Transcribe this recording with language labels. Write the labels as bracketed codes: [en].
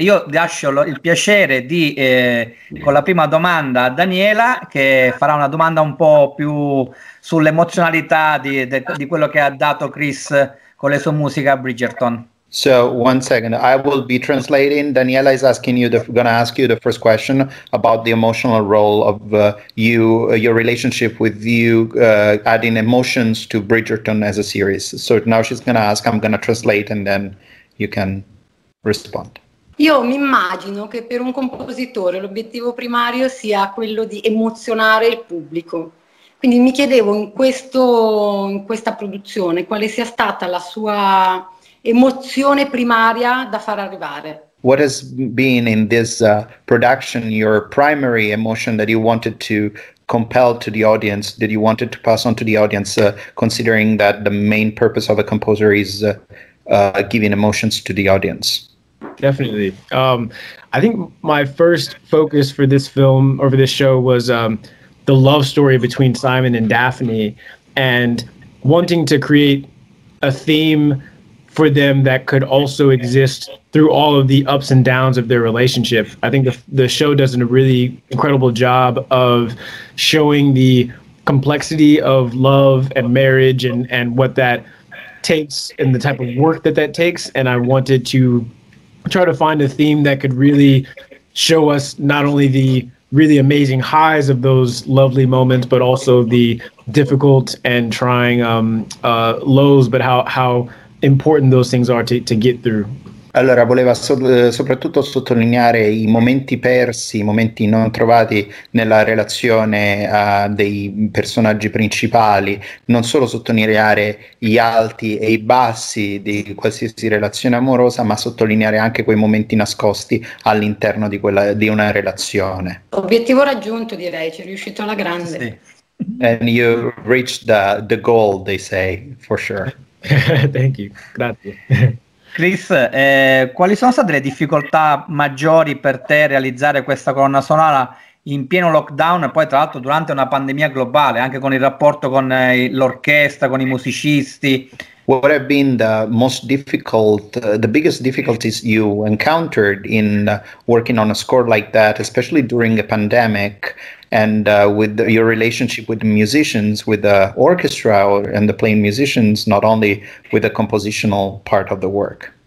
[it] Io lascio il piacere di con la prima domanda a Daniela, che farà una domanda un po' più sull'emozionalità di quello che ha dato Kris con le sue musiche a Bridgerton. [en] So one second, I will be translating. Daniela is asking you, going to ask you the first question about the emotional role of your relationship with you adding emotions to Bridgerton as a series. So now she's going to ask, I'm going to translate and then you can respond. [it] Io mi immagino che per un compositore l'obiettivo primario sia quello di emozionare il pubblico. Quindi mi chiedevo in questa produzione quale sia stata la sua emozione primaria da far arrivare. [en] What has been in this production your primary emotion that you wanted to compel to the audience, that you wanted to pass on to the audience, considering that the main purpose of a composer is giving emotions to the audience? Definitely. I think my first focus for this film or for this show was the love story between Simon and Daphne, and wanting to create a theme for them that could also exist through all of the ups and downs of their relationship. I think the show does a really incredible job of showing the complexity of love and marriage and what that takes and the type of work that takes. And I wanted to try to find a theme that could really show us not only the really amazing highs of those lovely moments, but also the difficult and trying lows, but how important those things are to get through. [it] Allora, voleva soprattutto sottolineare i momenti persi, i momenti non trovati nella relazione dei personaggi principali, non solo sottolineare gli alti e i bassi di qualsiasi relazione amorosa, ma sottolineare anche quei momenti nascosti all'interno di quella di una relazione. Obiettivo raggiunto, direi, ci è riuscito alla grande. Sì. [en] And you reached the goal, they say, for sure. Thank you. [it] Grazie. Kris, quali sono state le difficoltà maggiori per te realizzare questa colonna sonora in pieno lockdown e poi tra l'altro durante una pandemia globale, anche con il rapporto con l'orchestra, con i musicisti? [en] What have been the most difficult, the biggest difficulties you encountered in working on a score like that, especially during a pandemic, and with your relationship with the musicians, with the orchestra and the playing musicians, not only with the compositional part of the work?